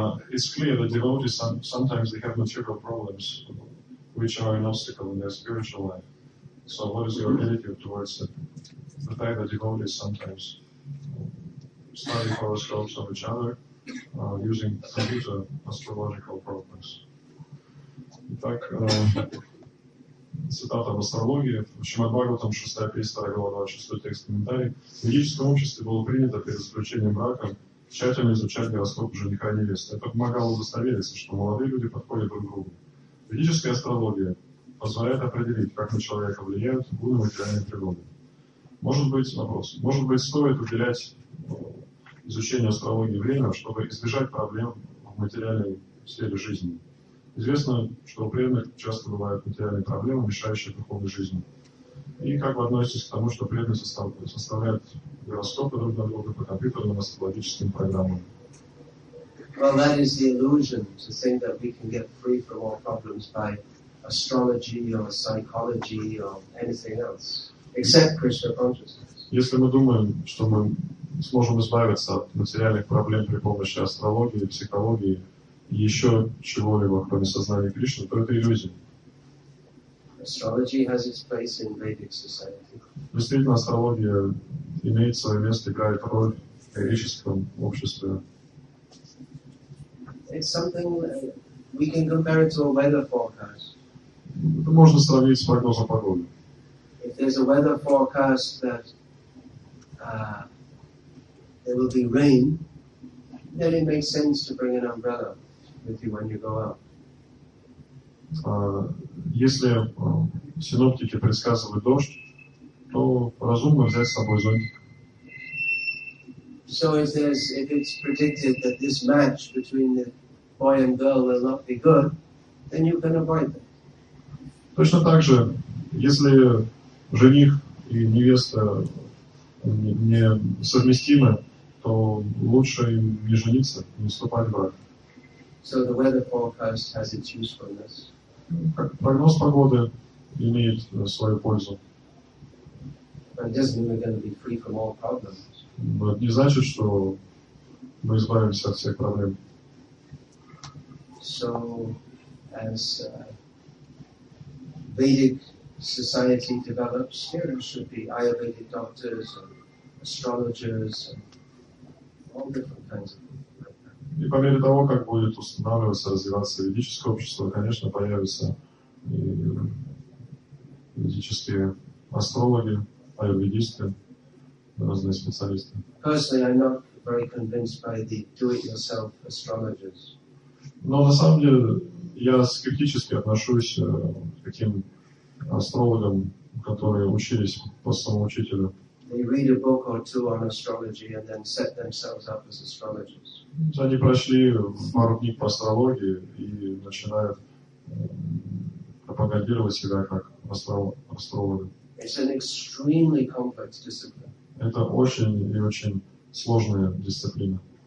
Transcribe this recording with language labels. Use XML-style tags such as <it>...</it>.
<en>It's clear that devotees sometimes they have material problems which are an obstacle in their spiritual life. So what is your attitude towards the fact that devotees sometimes study horoscopes of each other using computer astrological problems? In fact,</en> <ru>цитата в астрологии, в Шримад Бхагаватам, 6-я песня, глава 26-й текст, комментарий. В ведическом обществе было принято перед заключением брака тщательно изучать гороскоп жениха и невесты. Это помогало удостовериться, что молодые люди подходят друг к другу. Ведическая астрология позволяет определить, как на человека влияют гуны материальной природы. Может быть, вопрос. Может быть, стоит уделять изучению астрологии время, чтобы избежать проблем в материальной сфере жизни? Известно, что у преданных часто бывают материальные проблемы, мешающие духовной жизни. И как вы относитесь к тому, что преданные составляют гороскопы друг на друга по компьютерным астрологическим программам?</ru> <en>Well, that is the illusion, to think that we can get free from all problems by astrology or psychology or anything else, except Krishna consciousness.</en> <ru>Если мы думаем, что мы сможем избавиться от материальных проблем при помощи астрологии, психологии, еще чего-либо, кроме сознания Кришны, то это иллюзия.</ru> <en>Astrology has its place in Vedic society.</en> <ru>Действительно, астрология имеет свое место, играет роль в ведическом обществе.</ru> <en>It's something we can compare it to a weather forecast.</en> <ru>Это можно сравнить с прогнозом погоды.</ru> <en>If there's a weather forecast that there will be rain, then it makes sense to bring an umbrella with you when you go out.</en> <ru>Если синоптики предсказывают дождь, то разумно взять с собой зонтик.</ru> <en>So if it's predicted that this match between the boy and girl will not be good, then you can avoid that.</en> <ru>Точно так же, если жених и невеста не совместимы, то лучше им не жениться, не вступать в брак.</ru> <en>So the weather forecast has its usefulness.</en> <ru>Прогноз погоды имеет свою пользу.</ru> <en>But it doesn't mean we're going to be free from all problems.</en> <ru>Но это не значит, что мы избавимся от всех проблем.</ru> <en>So, as Vedic society develops, there should be Ayurvedic doctors and astrologers and all different kinds of people.</en> <ru>И по мере того, как будет устанавливаться, развиваться ведическое общество, конечно, появятся и ведические астрологи, аюрведисты, разные специалисты.</ru> <en>Personally, I'm not very convinced by the do-it-yourself astrologers.</en> <ru>Но на самом деле я скептически отношусь к таким астрологам, которые учились по самоучителю.</ru> <en>They read a book or two on astrology and then set themselves up as astrologers.</en> <ru>Они прошли пару книг по астрологии и начинают пропагандировать себя как астрологи.</ru> <en>It's an extremely complex discipline.</en> <ru>Это очень и очень сложная дисциплина.</ru>